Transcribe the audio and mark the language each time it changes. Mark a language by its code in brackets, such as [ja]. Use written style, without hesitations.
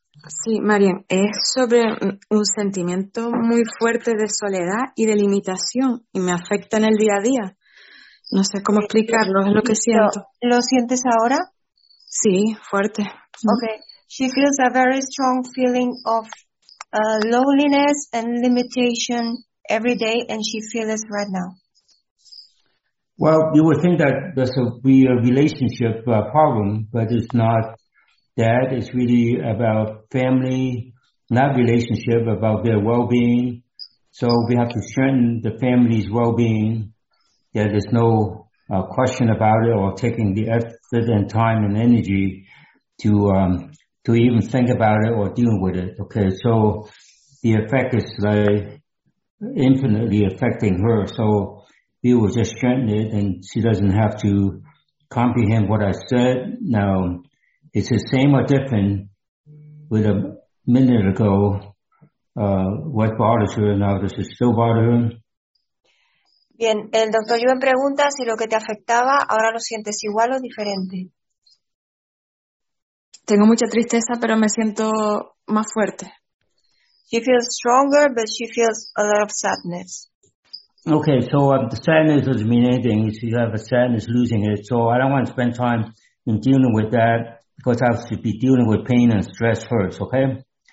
[es] Sí, Marian, es sobre un sentimiento muy fuerte de soledad y de limitación y me afecta en el día a día. No sé cómo explicarlo, es lo que siento. ¿Lo sientes ahora? Sí, fuerte. [en] Okay. She feels a very strong feeling of loneliness and limitation every day, and she feels it right now. Well, you would think that this would be a relationship problem, but it's not that. It's really about family, not relationship, about their well-being. So we have to strengthen the family's well-being. Yeah, there's no question about it, or taking the effort and time and energy to even think about it or deal with it. Okay, so the effect is like infinitely affecting her. So we will just strengthen it, and she doesn't have to comprehend what I said. Now, it's the same or different with a minute ago, what bothers her, now does it still bother her? [es] Bien, el doctor Yuen pregunta si lo que te afectaba ahora lo sientes igual o diferente. Tengo mucha tristeza, pero me siento más fuerte. [en] She feels stronger, but she feels a lot of sadness. Okay, so the sadness doesn't mean anything. If you have a sadness, losing it. So I don't want to spend time in dealing with that, because I have to be dealing with pain and stress first, okay?